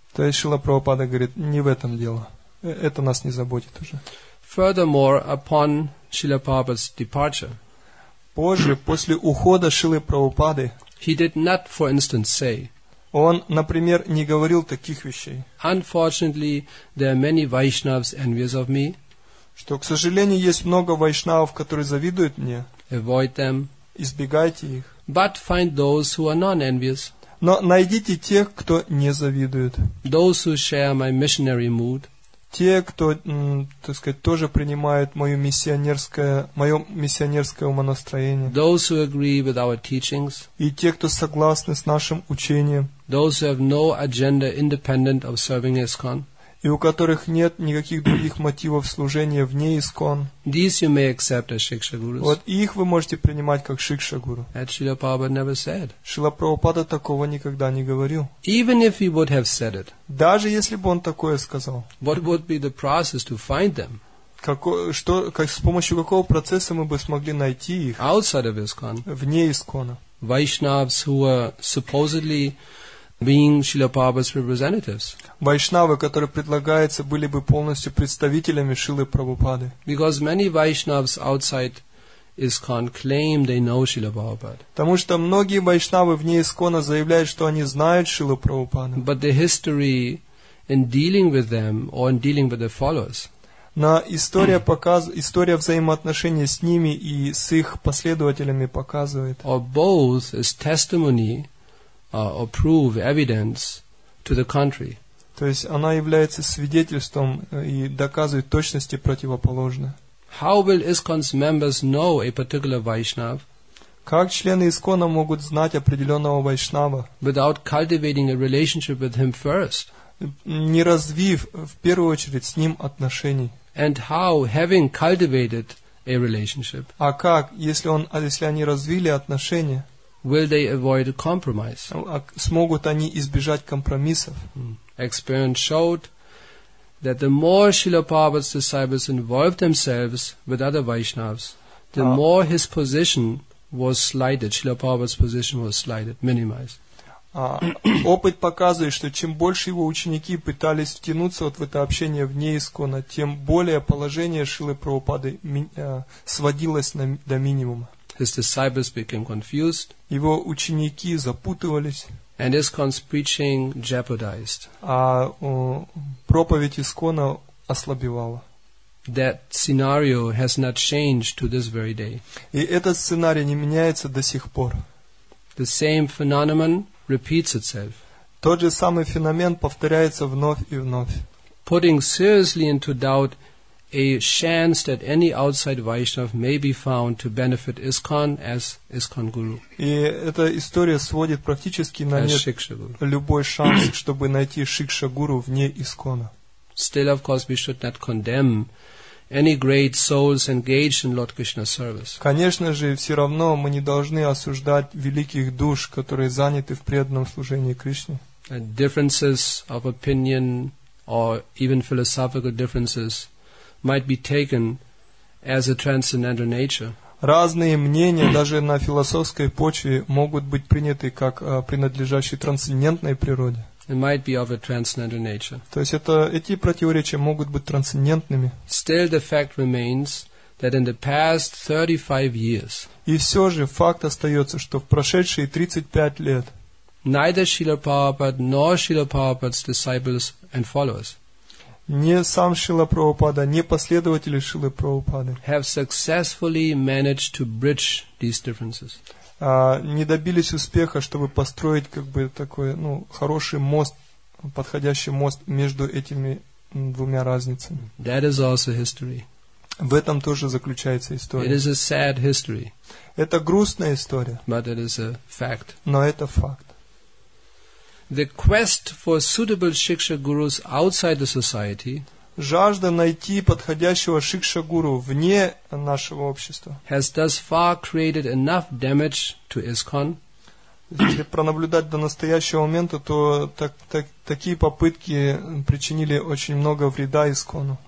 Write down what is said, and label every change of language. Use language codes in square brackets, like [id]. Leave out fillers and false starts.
[ru] То есть Шрила Прабхупада говорит, не в этом дело. Это нас не заботит уже. [en] Furthermore, upon Srila Prabhupada's departure, [ru] позже, после ухода Шрилы Прабхупады, [en] he did not, for instance, say, [ru] он, например, не говорил таких вещей. [en] Unfortunately, there are many Vaishnavas envious of me. [ru] Что, к сожалению, есть много вайшнавов, которые завидуют мне. [en] Avoid them. [ru] Избегайте их. [en] But find those who are non-envious. [ru] Но найдите тех, кто не завидует. [en] Those who share my missionary mood. [ru] Те, кто, так сказать, тоже принимают мое миссионерское умонастроение. [en] Those who agree with our teachings. [ru] И те, кто согласны с нашим учением. [en] Those who have no agenda independent of serving ISKCON. [ru] И у которых нет никаких других мотивов служения вне ИСККОН. [en] These you may accept as Shiksha Gurus. [ru] Вот их вы можете принимать как Шикша Гуру. [en] That Srila Prabhupada never said. [ru] Шрила Прабхупада такого никогда не говорил. [en] Even if he would have said it. [ru] Даже если бы он такое сказал. [en] What would be the process to find them? [ru] С помощью какого процесса мы бы смогли найти их? [en] Outside of ISKCON. [ru] Вне ИСККОНа. [en] Vaishnavas who were supposedly being Srila Prabhupada's representatives. [ru] Вайшнавы, которые предлагаются, были бы полностью представителями Шрилы Прабхупады. [en] Because many Vaishnavas outside ISKCON claim they know Srila Prabhupada. [ru] Потому что многие вайшнавы вне ИСККОНа заявляют, что они знают Шрилу Прабхупаду. [en] But the history in dealing with them or in dealing with their followers. [ru] Но история история взаимоотношений с ними и с их последователями показывает. [en] Or both is testimony. Or prove evidence to the contrary. [ru] То есть она является свидетельством и доказывает точности противоположное. [en] How will ISKCON's members know a particular Vaishnav? [ru] Как члены ИСККОНа могут знать определенного вайшнава? [en] Without cultivating a relationship with him first. [ru] Не развив в первую очередь с ним отношений. [en] And how, having cultivated a relationship? [ru] А как, если они развили отношения? [en] Will they avoid a compromise? [ru] Смогут они избежать компромиссов? [en] Experience showed that the more Srila Prabhupada's disciples involved themselves with other Vaishnavas, the more his position was slighted. Srila Prabhupada's position was slighted, minimized. [ru] Опыт показывает, что чем больше его ученики пытались втянуться вот в это общение вне ИСККОНа, тем более положение Шрилы Прабхупады сводилось до минимума. [en] His disciples became confused. [ru] Его ученики запутывались. [en] And Iskon's preaching jeopardized. [ru] А проповедь Искона ослабевала. [en] That scenario has not changed to this very day. [ru] И этот сценарий не меняется до сих пор. [en] The same phenomenon repeats itself. [ru] Тот же самый феномен повторяется вновь и вновь. [en] Putting seriously into doubt a chance that any outside Vaishnav may be found to benefit ISKCON as ISKCON guru. [ru] И эта история сводит практически на нет любой шанс, чтобы найти Шикша гуру вне ИСКОНа. [en] Still, of course, we should not condemn any great souls engaged in Lord Krishna's service. [ru] Конечно же, все равно мы не должны осуждать великих душ, которые заняты в преданном служении Кришне. [en] And differences of opinion or even philosophical differences might be taken as a transcendental nature. [ru] Разные мнения даже на философской почве могут быть приняты как принадлежащие трансцендентной природе. [en] It might be of a transcendental nature. [ru] То есть эти противоречия могут быть трансцендентными. [en] Still, the fact remains that in the past 35 years. [ru] И все же факт остается, что в прошедшие 35 лет. [en] Neither Srila Prabhupada nor Srila Prabhupada's disciples and followers. [ru] Ни сам Шрила Прабхупада, ни последователи Шрилы Прабхупады [en] have successfully managed to bridge these differences. [ru] Не добились успеха, чтобы построить такой хороший мост, подходящий мост между этими двумя разницами. [en] That is also history. [ru] В этом тоже заключается история. [en] It is a sad history. [ru] Это грустная история. [en] But it is a fact. [ru] Но это факт. [en] The quest for suitable Shiksha gurus outside the society [ru] жажда найти подходящего Шикша гуру вне нашего общества [en] has thus far created enough damage to ISKCON. [ru] Если пронаблюдать до настоящего момента, то такие попытки причинили очень много вреда ИСКОНу.